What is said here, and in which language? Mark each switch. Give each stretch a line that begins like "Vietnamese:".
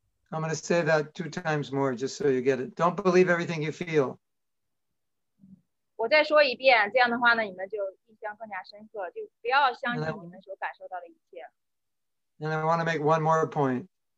English: I'm going to say that two times more just so you get it. Don't believe everything you feel.
Chinese: 我再说一遍, 这样的话呢, 你们就印象更加深刻, 就不要相信你们所感受到的一切。
English: And I want to make one more point.